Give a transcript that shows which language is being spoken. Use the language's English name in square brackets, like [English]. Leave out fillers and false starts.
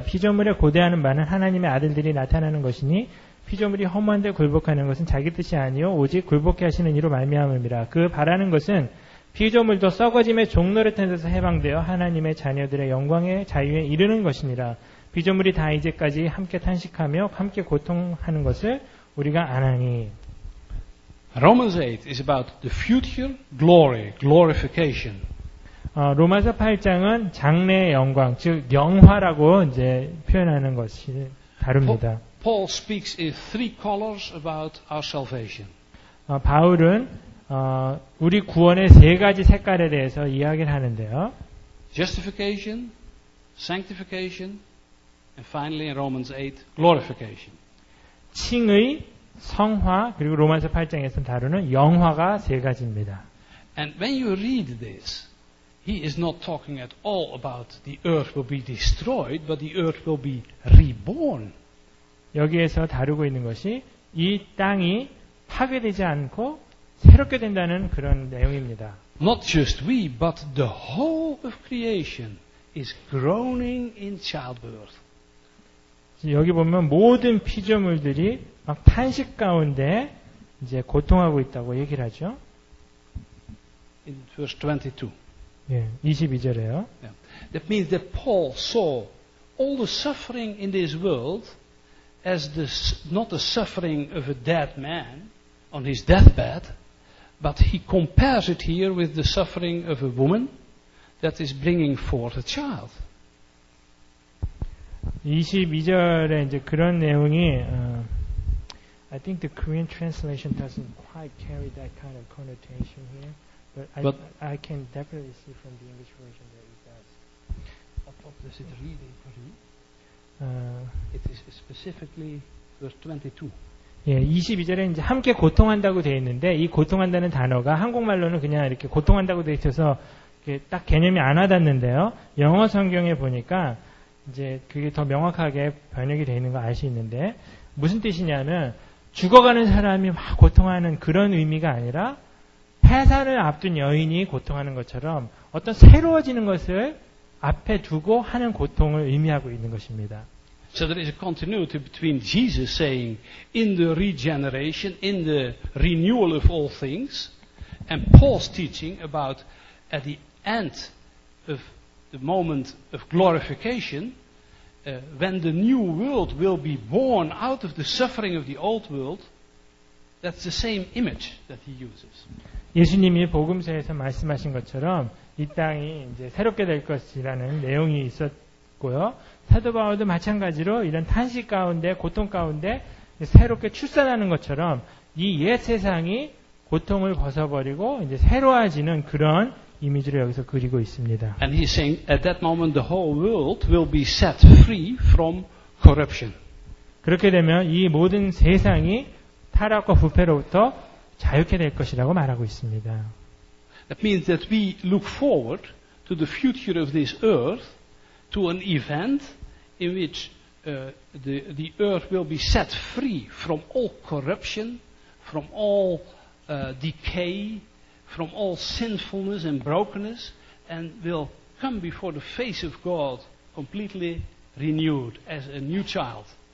[Korean] 피조물에 고대하는 바는 하나님의 아들들이 나타나는 것이니 피조물이 허무한데 굴복하는 것은 자기 뜻이 아니오 오직 굴복케 하시는 이로 말미암음이라. 그 바라는 것은 피조물도 썩어짐의 종노릇에서 해방되어 하나님의 자녀들의 영광의 자유에 이르는 것이니라. 피조물이 다 이제까지 함께 탄식하며 함께 고통하는 것을 우리가 아나니. [English] Romans 8 is about the future glory, glorification. [Korean] 로마서 8장은 장래 영광, 즉 영화라고 이제 표현하는 것이 다릅니다. [English] Paul speaks in three colors about our salvation. [Korean] 바울은 우리 구원의 세 가지 색깔에 대해서 이야기를 하는데요. [English] Justification, sanctification, and finally in Romans 8, glorification. [Korean] 칭의, 성화, 그리고 로마서 8장에서 다루는 영화가 세 가지입니다. [English] And when you read this, he is not talking at all about the earth will be destroyed, but the earth will be reborn. [Korean] 여기에서 다루고 있는 것이 이 땅이 파괴되지 않고 새롭게 된다는 그런 내용입니다. [English] Not just we, but the whole of creation is groaning in childbirth. [Korean] 여기 보면 모든 피조물들이 막 탄식 가운데 이제 고통하고 있다고 얘기를 하죠. [English] In verse 22. [Korean] 예, 22절에요. Yeah. [English] That means that Paul saw all the suffering in this world as the, not the suffering of a dead man on his deathbed, but he compares it here with the suffering of a woman that is bringing forth a child. [Korean] 22절에 이제 그런 내용이 [English] I think the Korean translation doesn't quite carry that kind of connotation here, but I can definitely see from the English version that it does. Does it read in Korean? It is specifically verse 22. [Korean] 예, 22절에 이제 함께 고통한다고 되어 있는데 이 고통한다는 단어가 한국말로는 그냥 이렇게 고통한다고 되어 있어서 딱 개념이 안 와닿는데요. 영어 성경에 보니까 이제 그게 더 명확하게 번역이 되어 있는 거 알 수 있는데 무슨 뜻이냐면 죽어가는 사람이 막 고통하는 그런 의미가 아니라 해산을 앞둔 여인이 고통하는 것처럼 어떤 새로워지는 것을 앞에 두고 하는 고통을 의미하고 있는 것입니다. [English] So there is a continuity between Jesus saying in the regeneration, in the renewal of all things, and Paul's teaching about at the end of the moment of glorification, when the new world will be born out of the suffering of the old world, that's the same image that he uses. [Korean] 예수님이 복음서에서 말씀하신 것처럼 이 땅이 이제 새롭게 될 것이라는 내용이 있었고요. 사도 바울도 마찬가지로 이런 탄식 가운데 고통 가운데 새롭게 출산하는 것처럼 이 옛 세상이 고통을 벗어버리고 이제 새로워지는 그런 이미지를 여기서 그리고 있습니다. [English] And he's saying at that moment the whole world will be set free from corruption. [Korean] 그렇게 되면 이 모든 세상이 타락과 부패로부터 자유케 될 것이라고 말하고 있습니다. [English] That means that we look forward to the future of this earth, to an event in which the earth will be set free from all corruption, from all decay, from all sinfulness and brokenness, and will come before the face of God completely renewed as a new child.